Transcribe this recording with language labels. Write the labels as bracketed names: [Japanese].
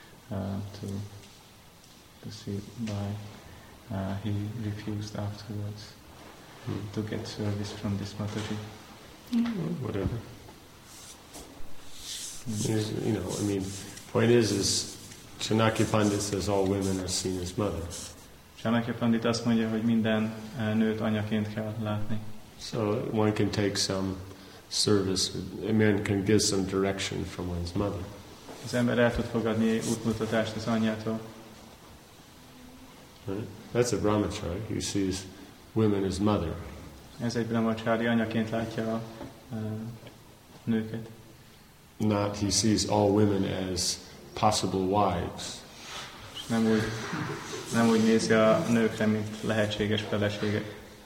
[English] To see why he refused afterwards to get service from this Mataji. Mm-hmm. Whatever. Mm-hmm. You know, I mean, point is Chanakya Pandit says all women are seen as mother. [Hungarian] Chanakya Pandit azt mondja, hogy minden nőt anyaként kell látni. [English] So one can take some service, a man can give some direction from one's mother. [Hungarian] Az ember el tud fogadni útmutatást az anyjától. [English] That's a brahmachari. He sees women as mother. [Hungarian] Ez egy brahmachari, anyaként látja a nőket. [English] Not he sees all women as possible wives. [Hungarian] Nem úgy nézi a nőkre, mint lehetséges feleségek.